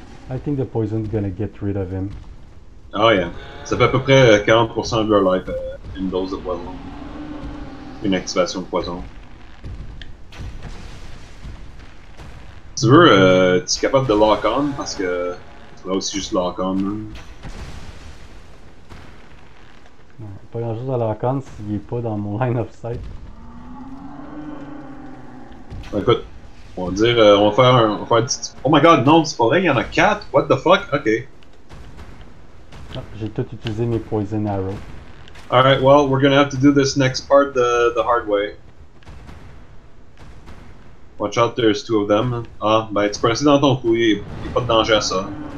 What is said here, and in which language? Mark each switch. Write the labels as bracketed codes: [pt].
[en] I think the poison's gonna get rid of him. Oh yeah. [fr] Ça fait à peu près 40% de leur life, une dose de poison. Une activation de poison. Tu veux, tu es capable de lock on parce que tu vas aussi juste lock on. Non, pas grand chose à lock on s'il est pas dans mon [en] line of sight. [fr] Écoute. On va dire, on va faire un. Oh my god, non, c'est pas vrai, il y en a 4! [en] What the fuck? Ok. [fr] Ah, j'ai tout utilisé mes [en] poison arrows. Alright, well, we're gonna have to do this next part the hard way. Watch out, there's two of them. [fr] Ah, ben, tu peux rester dans ton couillet, y'a pas de danger à ça.